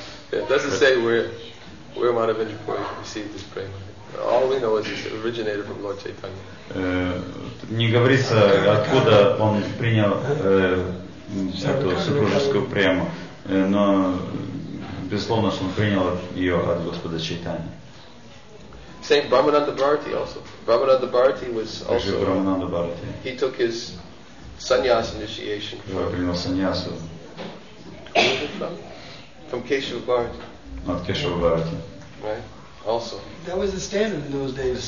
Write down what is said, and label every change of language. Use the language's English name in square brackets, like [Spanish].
[English] It doesn't say where Madhavendra Puri received this prema. All we know is it originated from Lord Chaitanya. [Russian] Не говорится, откуда он принял эту супружескую прему, но безусловно, что он принял ее от Господа Чайтаньи. [English] Saint Brahmananda Bharati also. Brahmananda Bharati was also. Brahmananda Bharati. He took his sannyas initiation. [Russian] Принял саньясу. [English] From Keshava Bharati. Not Keshava Bharati. Right. Also. That was the standard in those days.